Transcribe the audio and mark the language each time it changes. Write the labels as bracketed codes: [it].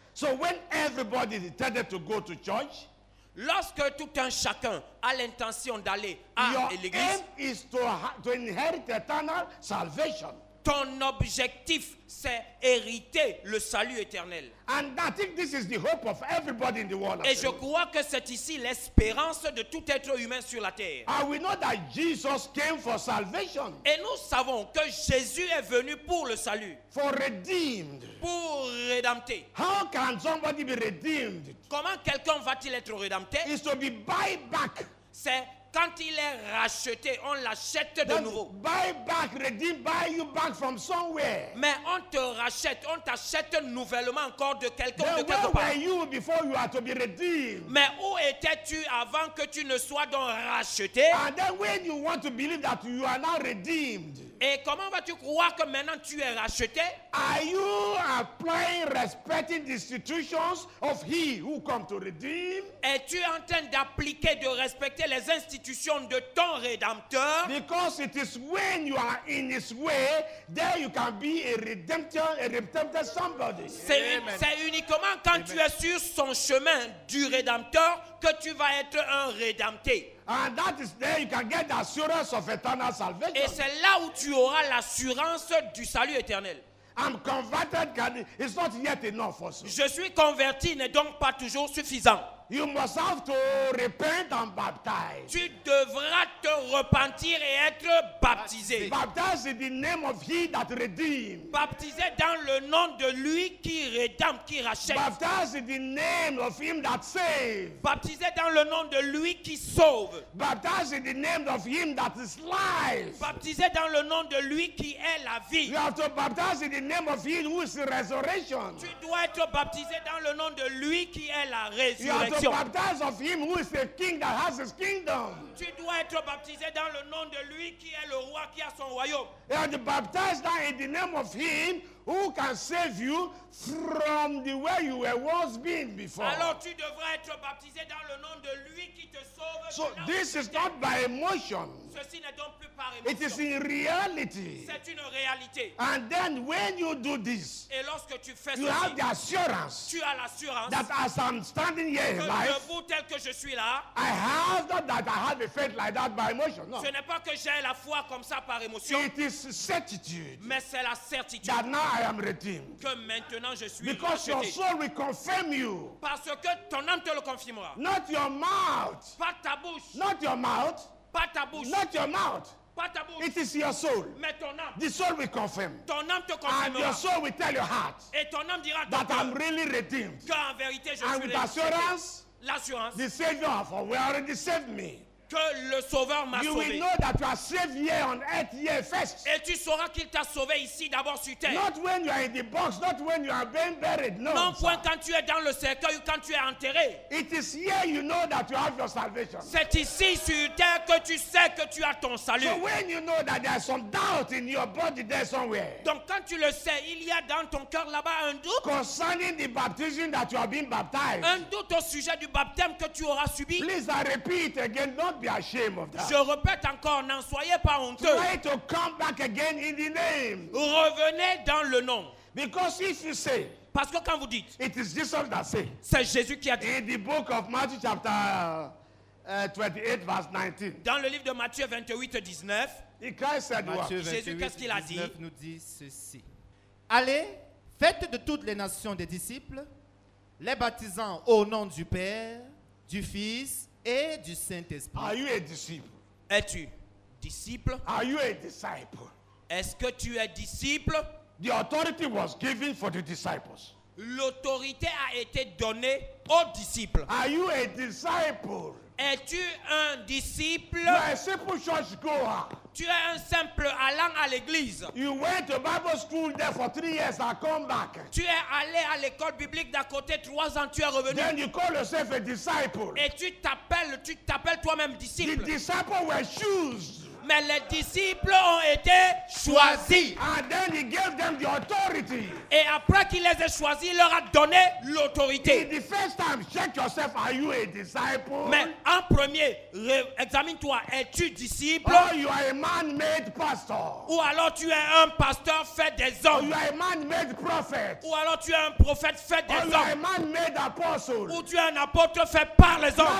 [en] So when everybody intended to go to church, [fr] lorsque tout un chacun a l'intention d'aller à l'église, [en] your aim is to inherit eternal salvation. [fr] Ton objectif, c'est hériter le salut éternel. [en] And I think this is the hope of everybody in the world. [fr] Et je crois que c'est ici l'espérance de tout être humain sur la terre. [en] And we know that Jesus came for salvation. [fr] Et nous savons que Jésus est venu pour le salut. [en] For redeemed. [fr] Pour rédempté. [en] How can somebody be redeemed? [fr] Comment quelqu'un va-t-il être rédempté? [en] Is to be buy back. [fr] C'est quand il est racheté, on l'achète de nouveau. [en] Buy back, redeem, buy you back from somewhere. [fr] Mais on te rachète, on t'achète nouvellement encore de quelqu'un de quelque part. [en] Where were you before you are to be redeemed? [fr] Mais où étais-tu avant que tu ne sois donc racheté? [en] And then when you want to believe that you are now redeemed. [fr] Et comment vas-tu croire que maintenant tu es racheté? [en] Are you applying, respecting the institutions of he who come to redeem? [fr] Es-tu en train d'appliquer, de respecter les institutions de ton rédempteur? [en] Because it is when you are in his way, then you can be a redemptor somebody. [fr] C'est uniquement quand Amen. Tu es sur son chemin du rédempteur que tu vas être un rédempté. [en] And that is there you can get the assurance of eternal salvation. [fr] Et c'est là où tu auras l'assurance du salut éternel. [en] I'm converted, it's not yet enough for us. [fr] Je suis converti n'est donc pas toujours suffisant. [en] You must have to repent and baptize. [fr] Tu devras te repentir et être baptisé. [en] Baptize in the name of he that redeems. [fr] Baptisé dans le nom de lui qui rédempte, qui rachète. [en] Baptize in the name of him that saves. [fr] Baptisé dans le nom de lui qui sauve. [en] Baptize in the name of him that is life. [fr] Baptisé dans le nom de lui qui est la vie. [en] You have to baptize in the name of him who is the resurrection. [fr] Tu dois être baptisé dans le nom de lui qui est la résurrection. [en] To baptize of him who is the king that has his kingdom. [fr] Tu dois être baptisé dans le nom de lui qui est le roi qui a son royaume. [en] And baptize that in the name of him who can save you from the way you were once been before. [fr] Alors tu devrais être baptisé dans le nom de lui qui te sauve. [en] So this is not by emotion. [fr] Ceci n'est donc plus par émotion. [en] It is in reality. [fr] C'est une réalité. [en] And then when you do this, [fr] et lorsque tu fais [en] you [fr] ceci, [en] have the assurance, [fr] tu as l'assurance [en] that as I'm standing here in life, [fr] que vous tel que je suis là, [en] I have not that I have a faith like that by emotion. No. [fr] Ce n'est pas que j'ai la foi comme ça par émotion. [en] It is certitude. [fr] Mais c'est la certitude. [en] That now I am redeemed. [fr] Que maintenant je suis [en] because [fr] racheté. [en] Your soul will confirm you. [fr] Parce que ton âme te le confirmera. [en] Not your mouth. [fr] Pas ta bouche. [en] Not your mouth. [fr] Pas ta bouche. [en] Not your mouth. [fr] Pas ta bouche. [en] It is your soul. [fr] Mais ton âme. [en] The soul will confirm. [fr] Ton âme te confirmera. [en] And your soul will tell your heart. [fr] Et ton âme dira [en] that I'm really redeemed. [fr] Que en vérité je [en] and [fr] suis [en] with assurance, [fr] l'assurance, [en] the Savior has already saved me. [fr] Que le Sauveur m'a [en] you [fr] sauvé. [en] Will know that you are saved here on earth here first. [fr] Et tu sauras qu'il t'a sauvé ici d'abord sur terre. [en] Not when you are in the box, not when you are being buried. No. [fr] Non point quand tu es dans le cercueil ou quand tu es enterré. [en] It is here you know that you have your salvation. [fr] C'est ici sur terre que tu sais que tu as ton salut. [en] So when you know that there is some doubt in your body there somewhere. [fr] Donc quand tu le sais, il y a dans ton cœur là-bas un doute. [en] Concerning the baptism that you have been baptized. [fr] Un doute au sujet du baptême que tu auras subi. [en] Please, I repeat again, don't be ashamed of that. [fr] Je répète encore, n'en soyez pas honteux. [en] Try to come back again in the name. [fr] Revenez dans le nom. [en] Because if you say, [fr] parce que quand vous dites, [en] it is Jesus that say, [fr] c'est Jésus qui a dit. [en] In the book of Matthew chapter 28 verse 19. [fr] Dans le livre de Matthieu 28 19. [en] Christ said what? [fr] Jésus, qu'est-ce qu'il a dit? Nous dit ceci. Allez, faites de toutes les nations des disciples, les baptisant au nom du Père, du Fils. Et du Saint-Esprit. [en] Are you a disciple? [fr] Es-tu disciple? [en] Are you a disciple? [fr] Est-ce que tu es disciple? [en] The authority was given for the disciples. [fr] L'autorité a été donnée aux disciples. [en] Are you a disciple? [fr] Es-tu un disciple? [en] You are a simple church goer. [fr] Tu es un simple allant à l'église. [en] You went to Bible school there for 3 years and come back. [fr] Tu es allé à l'école biblique d'à côté 3 ans, tu es revenu. [en] Then you call yourself a disciple. [fr] Et tu t'appelles toi-même disciple. [en] The disciples were chosen. [fr] Mais les disciples ont été choisis. [en] And then he gave them the authority. [fr] Et après qu'il les a choisis, il leur a donné l'autorité. [en] In the first time, check yourself, are you a disciple? [fr] Mais en premier, examine-toi, es-tu disciple? [en] Or you are a man-made pastor. [fr] Ou alors tu es un pasteur fait des hommes. [en] Or you are a man-made prophet. [fr] Ou alors tu es un prophète fait des [en] or [fr] hommes. [en] You are a man-made apostle. [fr] Ou tu es un apôtre fait par les hommes.